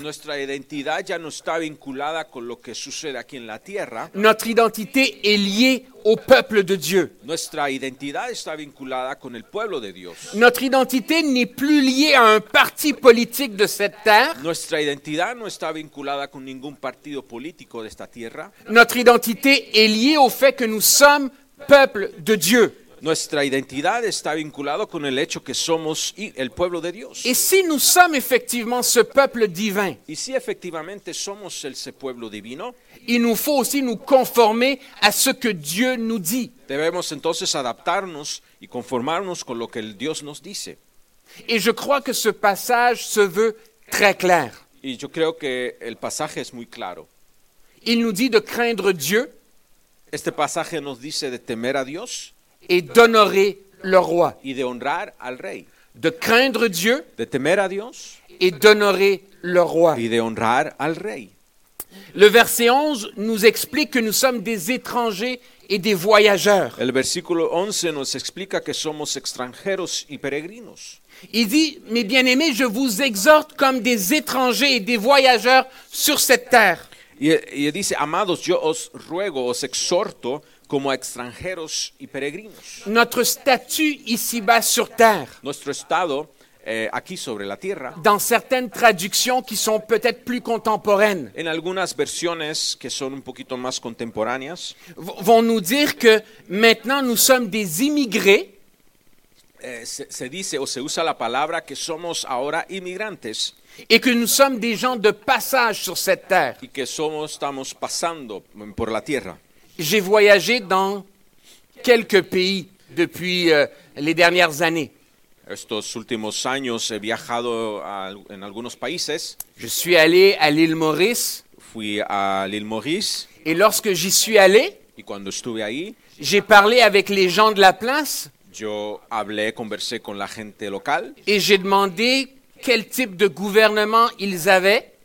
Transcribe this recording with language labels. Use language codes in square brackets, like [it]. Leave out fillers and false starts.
[es] Nuestra identidad ya no está vinculada con lo que sucede aquí en la tierra. [fr] Notre identité est liée au peuple de Dieu. [es] Nuestra identidad está vinculada con el pueblo de Dios. [fr] Notre identité n'est plus liée à un parti politique de cette terre. [es] Nuestra identidad no está vinculada con ningún partido político de esta tierra. [fr] Notre identité est liée au fait que nous sommes peuple de Dieu. [es] Nuestra identidad está vinculada con el hecho que somos el pueblo de Dios. [fr] Et si nous sommes effectivement ce peuple divin, [es] y si efectivamente somos ese pueblo divino, [fr] il nous faut aussi nous conformer à ce que Dieu nous dit. [es] Debemos entonces adaptarnos y conformarnos con lo que Dios nos dice. [fr] Et je crois que ce passage se veut très clair. [es] Y yo creo que el pasaje es muy claro. [fr] Il nous dit de craindre Dieu. [es] Este pasaje nos dice de temer a Dios. [fr] Et d'honorer le roi. [es] Y de honrar al rey. [fr] De craindre Dieu. [es] De temer a Dios. [fr] Et d'honorer le roi. [es] Y de honrar al rey. [fr] Le verset 11 nous explique que nous sommes des étrangers et des voyageurs. [es] El versículo 11 nos explica que somos extranjeros y peregrinos. [fr] Il dit, mes bien-aimés, je vous exhorte comme des étrangers et des voyageurs sur cette terre. [es] Y dice, amados, yo os ruego, os exhorto como extranjeros y peregrinos. [fr] Notre statut ici-bas sur terre. [es] Nuestro estado aquí sobre la tierra. [fr] Dans certaines traductions qui sont peut-être plus contemporaines. [es] En algunas versiones que son un poquito más contemporáneas. [fr] Vont nous dire que maintenant nous sommes des immigrés. [es] Se dice o se usa la palabra que somos ahora inmigrantes. [fr] Et que nous sommes des gens de passage sur cette terre. [es] Y que somos, estamos pasando por la tierra. [fr] J'ai voyagé dans quelques pays depuis les dernières années. [es] Estos últimos años he viajado en algunos países. [fr] Je suis allé à l'île Maurice. [es] Fui a l'île Maurice. [fr] Et lorsque j'y suis allé, [es] y cuando estuve ahí, [fr] j'ai parlé avec les gens de la place. [es] Yo hablé, conversé con la gente local. [fr] Et j'ai demandé quel type de gouvernement ils avaient.